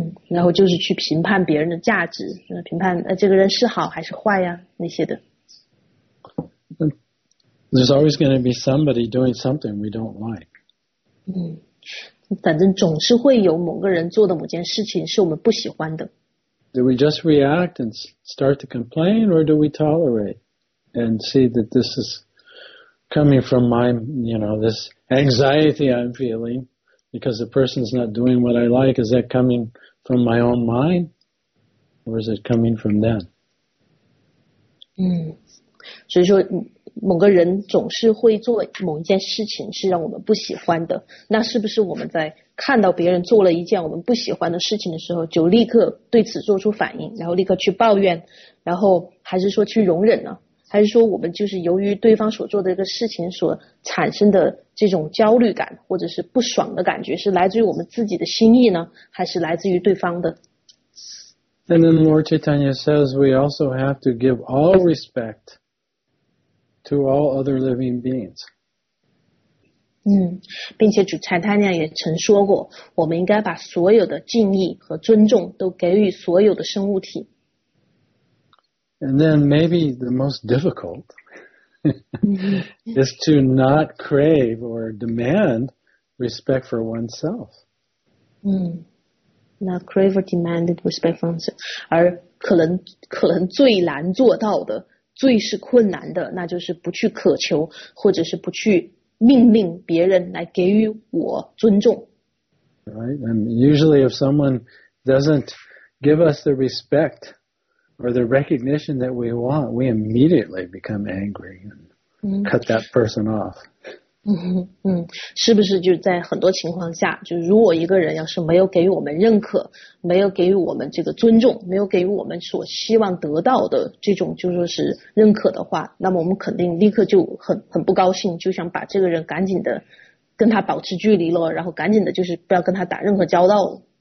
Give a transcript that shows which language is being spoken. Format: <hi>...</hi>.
<zh>然后就是去评判别人的价值，评判这个人是好还是坏呀，那些的。</zh> <en>There's always going to be somebody doing something we don't like.</en> <zh>反正总是会有某个人做的某件事情是我们不喜欢的。</zh> <en>Do we just react and start to complain, or do we tolerate? And see that this is coming from my, this anxiety I'm feeling because the person's not doing what I like. Is that coming from my own mind? Or is it coming from them?</en> <zh>所以说某个人总是会做某一件事情是让我们不喜欢的。那是不是我们在看到别人做了一件我们不喜欢的事情的时候就立刻对此做出反应，然后立刻去抱怨，然后还是说去容忍呢？还是说我们就是由于对方所做的一个事情所产生的这种焦虑感或者是不爽的感觉是来自于我们自己的心意呢，还是来自于对方的？</zh> <en>And then Lord Chaitanya says we also have to give all respect to all other living beings.</en> <zh>并且主 Chaitanya 也曾说过，我们应该把所有的敬意和尊重都给予所有的生物体。</zh> <en>And then maybe the most difficult is to not crave or demand respect for oneself. Not crave or demand respect for oneself.</en> <zh>而可能最难做到的，最是困难的，那就是不去渴求，或者是不去命令别人来给予我尊重。</zh> <en>Right, and usually if someone doesn't give us the respect,or the recognition that we want, we immediately become angry and cut that person off.</en> <zh>是不是就在很多情况下，就如果一个人要是没有给予我们认可，没有给予我们这个尊重，没有给予我们所希望得到的这种就说是认可的话，那么我们肯定立刻就很不高兴，就想把这个人赶紧的跟他保持距离了，然后赶紧的就是不要跟他打任何交道了。</zh>